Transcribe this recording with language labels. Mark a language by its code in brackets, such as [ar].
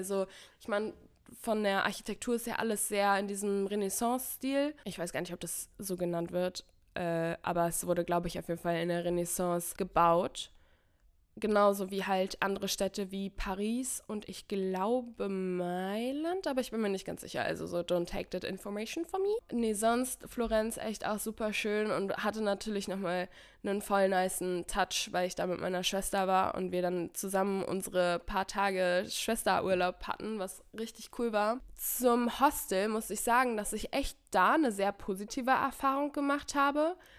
[de] Also ich meine, von der Architektur ist ja alles sehr in diesem Renaissance-Stil. Ich weiß gar nicht, ob das so genannt wird, aber es wurde, glaube ich, auf jeden Fall in der Renaissance gebaut. Genauso wie halt andere Städte wie Paris und ich glaube Mailand, aber ich bin mir nicht ganz sicher. [en] Also so, don't take that information from me. [de] Nee, sonst Florenz echt auch super schön und hatte natürlich nochmal einen voll nicen Touch, weil ich da mit meiner Schwester war und wir dann zusammen unsere paar Tage Schwesterurlaub hatten, was richtig cool war. Zum Hostel muss ich sagen, dass ich echt da eine sehr positive Erfahrung gemacht habe.